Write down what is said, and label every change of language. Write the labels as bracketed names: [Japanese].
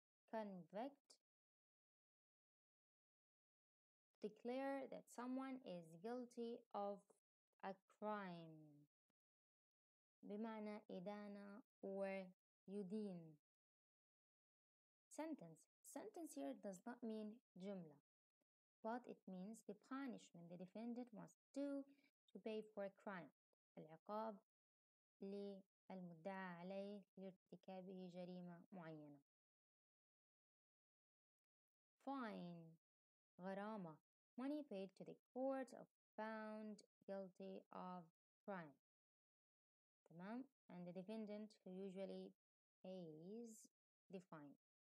[English] Convict, declare that someone is guilty of a crime. [Arabic] بمعنى إدانة or يدين. [English] Sentence here does not mean جملة, but it means the punishment the defendant must do to pay for a crime. [Arabic] العقاب للمدعى عليه لارتكابه جريمة معينة. [English] Fine, غرامة, money paid to the court or found guilty. guilty of crime. [Arabic] تمام؟ [English] And the defendant who usually pays the fine.